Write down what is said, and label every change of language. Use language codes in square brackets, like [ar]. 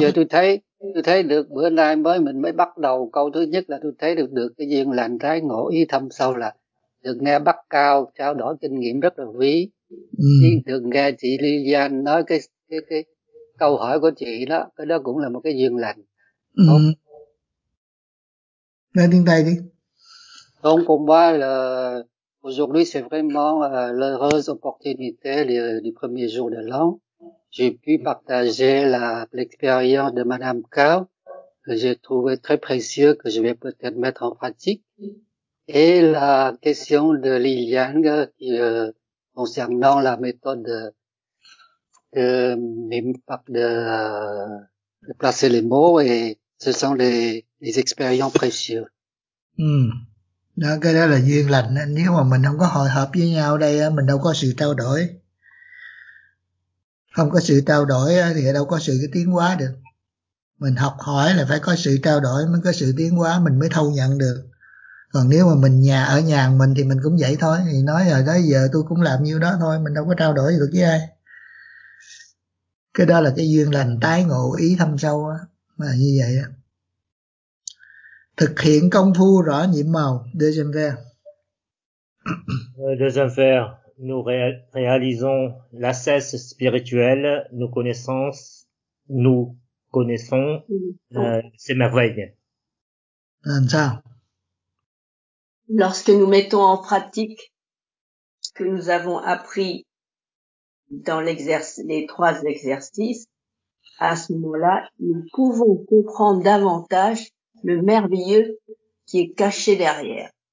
[vi] Giờ tôi thấy được bữa nay mình mới bắt đầu câu thứ nhất là tôi thấy được cái duyên lành trái ngộ ý thâm sâu là được nghe bác Cao trao đổi kinh nghiệm rất là quý. Được nghe chị Lilian nói cái câu hỏi của chị đó, cái đó cũng là một cái duyên lành. Nói tiếng Tây đi. Hôm cùng qua là [fr] aujourd'hui c'est vraiment l'heureuse opportunité du premier jour de l'an. J'ai pu partager l'expérience de Madame Cao que j'ai trouvé très précieux, que je vais peut-être mettre en pratique. Et la question de Liliane qui concernant la méthode de l'impact de placer les mots, et ce sont les expériences précieuses. [vi] Đó, cái đó là duyên lành. Nếu mà mình không có hội hợp với nhau đây, mình đâu có sự trao đổi. Không có sự trao đổi thì đâu có sự tiến hóa được. Mình học hỏi là phải có sự trao đổi mới có sự tiến hóa, mình mới thâu nhận được. Còn nếu mà mình nhà ở nhà mình thì mình cũng vậy thôi. Thì nói rồi đó, giờ tôi cũng làm nhiêu đó thôi, mình đâu có trao đổi được với ai. Cái đó là cái duyên lành tái ngộ ý thâm sâu đó. Mà như vậy đó. Thực hiện công phu rõ nhiệm màu. [fr] Deuxième vers. Deuxième vers. Nous réalisons la cesse spirituelle, nos connaissances, nous connaissons ces merveilles. [vi] Làm sao? [fr] Lorsque nous mettons en pratique ce que nous avons appris dans les trois exercices, à ce moment-là, nous pouvons comprendre davantage le merveilleux qui est caché derrière.